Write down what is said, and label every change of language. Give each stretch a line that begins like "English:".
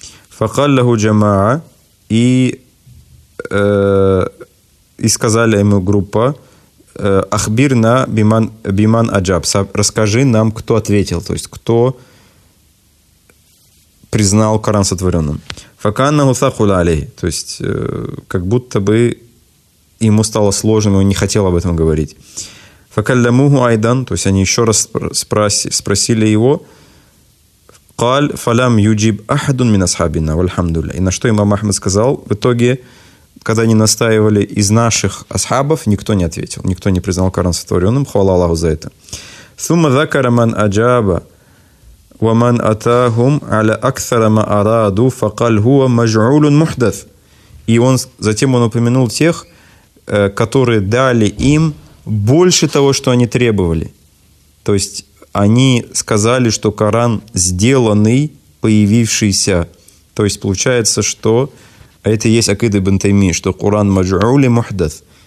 Arabic: فقال له جماعة,
Russian: и сказали ему группа,
Arabic: أخبرنا بمن أجاب,
Russian: расскажи нам, кто ответил, то есть кто признал Коран сотворенным.
Arabic: فكانه ثقل عليه,
Russian: то есть как будто бы ему стало сложно, он не хотел об этом говорить.
Arabic: فكلموه أيضا,
Russian: то есть они еще раз спросили его.
Arabic: قال فلم يجيب أحد من أصحابنا والحمد لله.
Russian: И на что имам Ахмад сказал? В итоге, когда они настаивали, из наших асхабов никто не ответил, никто не признал Коран сотворенным, хвала Аллаху за это.
Arabic: ثم ذكر من أجاب ومن أتاهم على أكثر ما أرادوا فقال هو مجعول محدث.
Russian: И он затем он упомянул тех, которые дали им больше того, что они требовали. То есть они сказали, что Коран сделанный, появившийся. То есть получается, что это и есть акида ибн Тайми, что Коран маджуули мухдас.